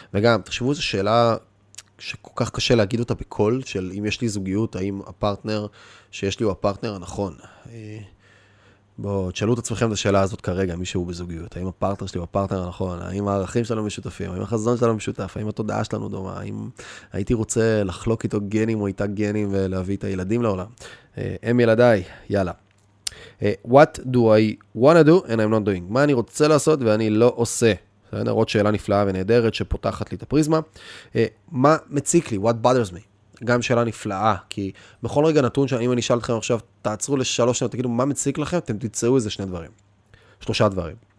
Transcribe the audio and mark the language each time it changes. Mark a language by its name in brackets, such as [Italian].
[Hebrew] וגם, תחשבו, זו שאלה שכל כך קשה להגיד אותה בקול, של אם יש לי זוגיות, האם הפרטנר שיש לי הוא הפרטנר הנכון. בואו, תשאלו את עצמכם את השאלה הזאת כרגע, מי שהוא בזוגיות. האם הפרטנר שלי הוא הפרטנר הנכון? האם הערכים שלנו משותפים? האם החזון שלנו משותף? האם התודעה שלנו דומה? האם הייתי רוצה לחלוק איתו גנים או איתה גנים ולהביא את הילדים לעולם? הם ילדיי, יאללה. [English] What do I want to do and I'm not doing? [Hebrew] מה אני רוצה לעשות ואני לא עושה? עוד שאלה נפלאה ונהדרת שפותחת לי את הפריזמה. מה מציק לי? [English] What bothers me? [Hebrew] גם שאלה נפלאה, כי בכל רגע נתון שאם אני אשאל אתכם עכשיו, תעצרו לשלוש שנים, תגידו מה מציק לכם, אתם תצאו איזה שני דברים. שלושה דברים.